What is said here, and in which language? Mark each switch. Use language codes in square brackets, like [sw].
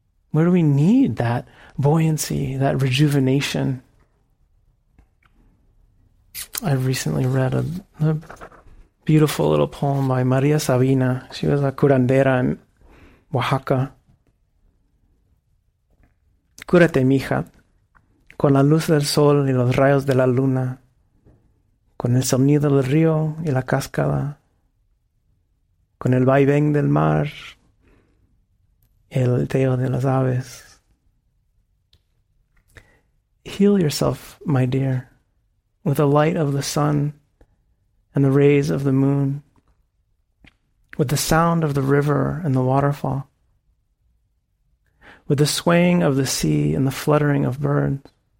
[en] Where do we need that buoyancy, that rejuvenation? I recently read a beautiful little poem by Maria Sabina. She was a curandera in Oaxaca. [es] Cúrate, mija, con la luz del sol y los rayos de la luna. Con el sonido del río y la cascada, con el vaivén del mar, el teo de las aves. [en] Heal yourself, my dear, with the light of the sun and the rays of the moon, with the sound of the river and the waterfall, with the swaying of the sea and the fluttering of birds.